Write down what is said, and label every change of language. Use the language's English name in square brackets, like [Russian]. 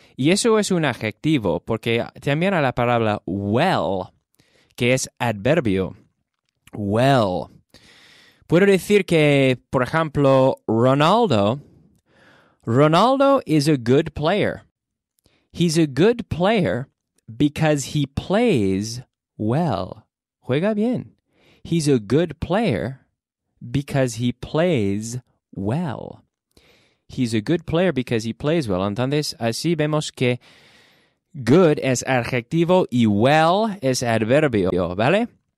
[Spanish] Y eso es un adjetivo, porque también a la palabra well, que es adverbio, well. Puedo decir que, por ejemplo, [English] Ronaldo is a good player. He's a good player because he plays well. [Spanish] Juega bien. [English] He's a good player because he plays well. He's a good player because he plays well. [Spanish] Entonces, así vemos que good es adjetivo y well es adverbio, ¿vale?